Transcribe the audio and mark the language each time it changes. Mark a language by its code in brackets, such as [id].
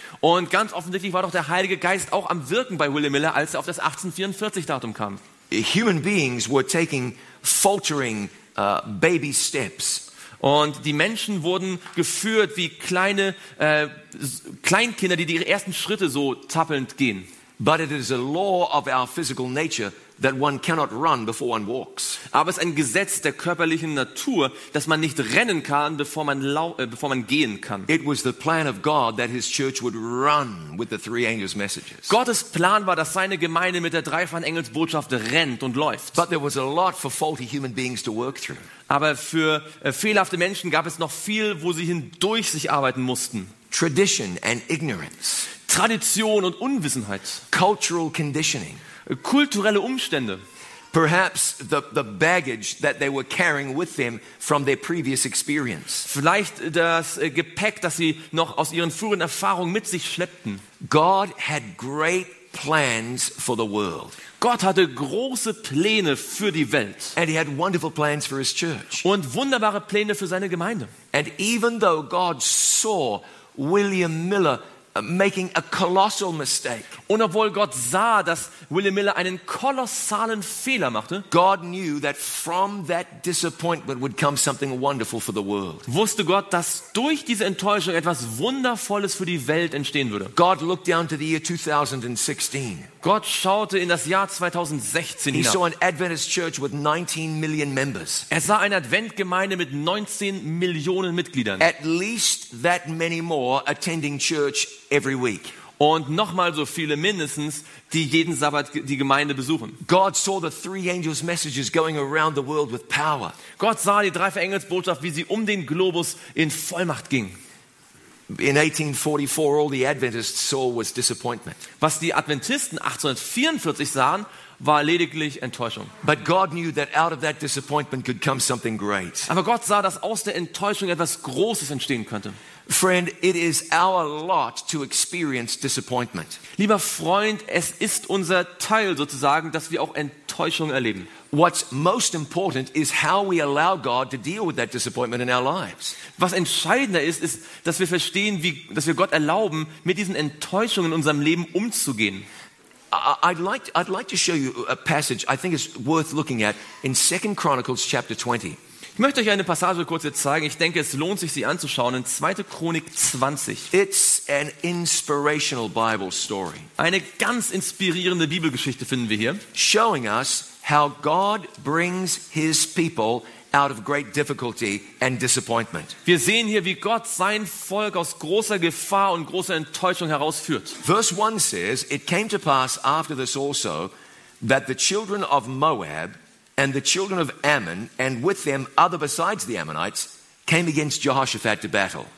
[de] Und ganz offensichtlich war doch der Heilige Geist auch am Wirken bei William Miller, als er auf das 1844 Datum kam. [en] Human beings were taking faltering baby steps. [de] Und die Menschen wurden geführt wie kleine Kleinkinder, die ihre ersten Schritte so tappelnd gehen. [en] But it is a law of our physical nature that one cannot run before one walks. [de] Aber es ist ein Gesetz der körperlichen Natur, dass man nicht rennen kann, bevor man gehen kann. [en] It was the plan of God that his church would run with the three angels' messages. [de] Gottes Plan war, dass seine Gemeinde mit der dreifachen Engelsbotschaft rennt und läuft. [en] But there was a lot for faulty human beings to work through. [de] Aber für fehlerhafte Menschen gab es noch viel, wo sie hindurch sich arbeiten mussten. [en] Tradition and ignorance. [de] Tradition und Unwissenheit. [en] Cultural conditioning. [de] Kulturelle Umstände. [en] Perhaps the baggage that they were carrying with them from their previous experience. [de] Vielleicht das Gepäck, das sie noch aus ihren früheren Erfahrungen mit sich schleppten. [en] God had great plans for the world. [de] Gott hatte große Pläne für die Welt. [en] And he had wonderful plans for his church. [de] Und wunderbare Pläne für seine Gemeinde. [en] And even though God saw William Miller making a colossal mistake. [de] Und obwohl Gott sah, dass William Miller einen kolossalen Fehler machte, [en] God knew that from that disappointment would come something wonderful for the world. [de] Wusste Gott, dass durch diese Enttäuschung etwas Wundervolles für die Welt entstehen würde. [en] God looked down to the year 2016. [de] Gott schaute in das Jahr 2016 hinab. [en] He saw an Adventist church with 19 million members. [de] Er sah eine Adventgemeinde mit 19 Millionen Mitgliedern. [en] At least that many more attending church every week. [de] Und nochmal so viele mindestens, die jeden Sabbat die Gemeinde besuchen. [en] God saw the three angels' messages going around the world with power. [de] Gott sah die dreifache Engelsbotschaft, wie sie um den Globus in Vollmacht ging. [en] In 1844, all the Adventists saw was disappointment. [de] Was die Adventisten 1844 sahen, war lediglich Enttäuschung. [en] But God knew that out of that disappointment could come something great. [de] Aber Gott sah, dass aus der Enttäuschung etwas Großes entstehen könnte. [en] Friend, it is our lot to experience disappointment. [de] Lieber Freund, es ist unser Teil sozusagen, dass wir auch Enttäuschung erleben. [en] What's most important is how we allow God to deal with that disappointment in our lives. [de] Was entscheidender ist, ist, dass wir verstehen, dass wir Gott erlauben, mit diesen Enttäuschungen in unserem Leben umzugehen. [en] I'd like to show you a passage I think is worth looking at in 2 Chronicles chapter 20. [de] Ich möchte euch eine Passage kurz jetzt zeigen. Ich denke, es lohnt sich, sie anzuschauen. In 2. Chronik 20. [en] It's an inspirational Bible story. [de] Eine ganz inspirierende Bibelgeschichte finden wir hier. [en] Showing us how God brings his people out of great difficulty and disappointment. [de] Wir sehen hier, wie Gott sein Volk aus großer Gefahr und großer Enttäuschung herausführt. [en] Verse 1 says, it came to pass after this also, that the children of Moab And the children of Ammon, and with them other besides the Ammonites, came against Jehoshaphat to battle.